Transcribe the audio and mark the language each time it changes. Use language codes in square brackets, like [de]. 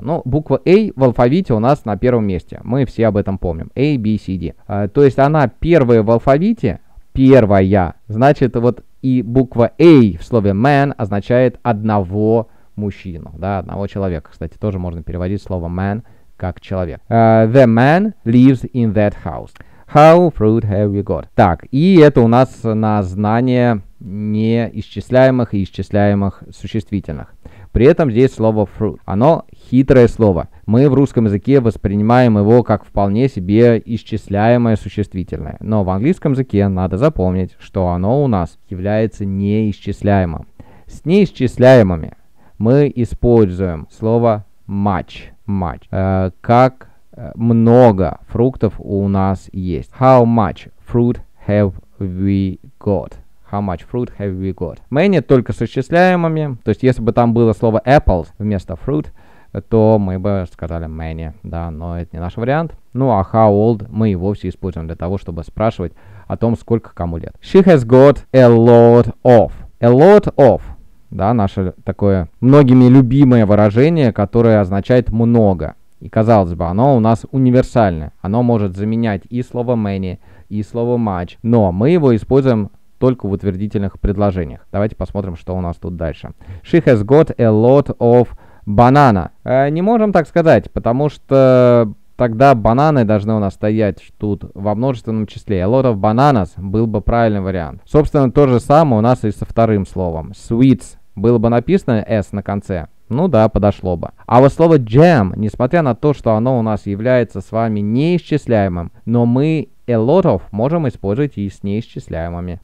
[ru] Ну, буква a в алфавите у нас на первом месте. Мы все об этом помним. A, B, C, D. То есть она первая в алфавите, первая, значит, вот и буква a в слове man означает одного мужчину, да, одного человека. Кстати, тоже можно переводить слово man как человек. [en] The man lives in that house. How fruit have you got? [ru] Так, и это у нас на знание неисчисляемых и исчисляемых существительных. При этом здесь слово fruit. Оно хитрое слово. Мы в русском языке воспринимаем его как вполне себе исчисляемое существительное. Но в английском языке надо запомнить, что оно у нас является неисчисляемым. С неисчисляемыми мы используем слово much. [en] Much. [ru] Как много фруктов у нас есть. [en] How much fruit have we got? How much fruit have we got? [ru] Many только с исчисляемыми. То есть, если бы там было слово apples вместо fruit, то мы бы сказали many, да, но это не наш вариант. Ну, а how old мы и вовсе используем для того, чтобы спрашивать о том, сколько кому лет. [en] She has got a lot of. A lot of. [ru] Да, наше такое многими любимое выражение, которое означает много. И, казалось бы, оно у нас универсальное. Оно может заменять и слово many, и слово much, но мы его используем только в утвердительных предложениях. Давайте посмотрим, что у нас тут дальше. [en] She has got a lot of banana. [ru] Не можем так сказать, потому что тогда бананы должны у нас стоять тут во множественном числе. [en] A lot of bananas [ru] был бы правильный вариант. Собственно, то же самое у нас и со вторым словом. [en] Sweets. [ru] Было бы написано S на конце. Ну да, подошло бы. А вот слово jam, несмотря на то, что оно у нас является с вами неисчисляемым, но мы a lot of можем использовать и с неисчисляемыми.